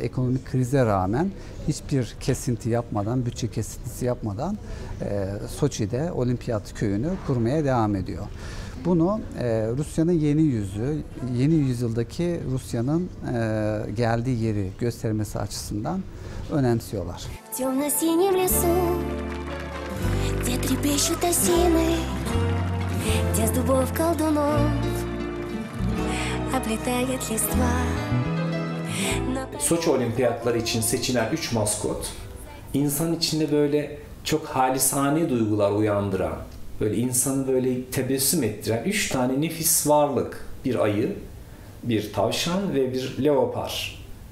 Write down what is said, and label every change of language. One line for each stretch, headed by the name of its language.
Turkish: Ekonomik krize rağmen hiçbir kesinti yapmadan, bütçe kesintisi yapmadan Soçi'de Olimpiyat köyünü kurmaya devam ediyor. Bunu Rusya'nın yeni yüzü, yeni yüzyıldaki Rusya'nın geldiği yeri göstermesi açısından önemsiyorlar.
Russian: Темно-синем лесу, где трепещут осины, где с дубов колдунов оплетает листва.
Turkish: Soçi Olimpiyatları için seçilen 3 maskot, insan içinde böyle çok halisane duygular uyandıran, böyle insanı böyle tebessüm ettiren 3 tane nefis varlık. Bir ayı, bir tavşan ve bir leopar.